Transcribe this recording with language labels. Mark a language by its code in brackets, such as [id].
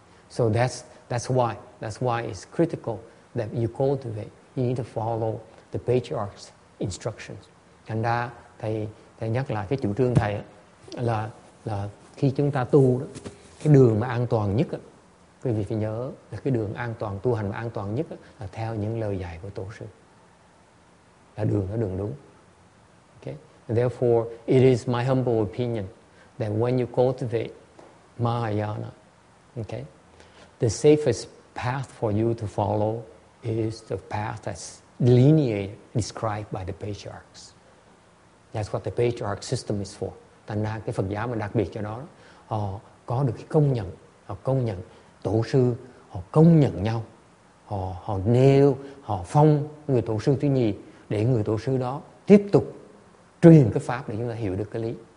[en] So that's why it's critical that you cultivate, you need to follow the patriarch's instructions. [vi] Thành ra thầy nhắc lại cái chủ trương thầy là khi chúng ta tu đó, cái đường mà an toàn nhất đó, quý vị phải nhớ là cái đường an toàn, tu hành mà an toàn nhất là theo những lời dạy của tổ sư. Là đường đó đường đúng. [en] Okay. Therefore, it is my humble opinion that when you cultivate Mahayana, okay, the safest path for you to follow is the path that's delineated, described by the patriarchs. That's what the patriarch system is for. [vi] Thành ra cái Phật giáo mà đặc biệt cho nó, họ có được cái công nhận, họ công nhận tổ sư, họ công nhận nhau, họ nêu, họ phong người tổ sư thứ nhì để người tổ sư đó tiếp tục truyền cái pháp để chúng ta hiểu được cái lý.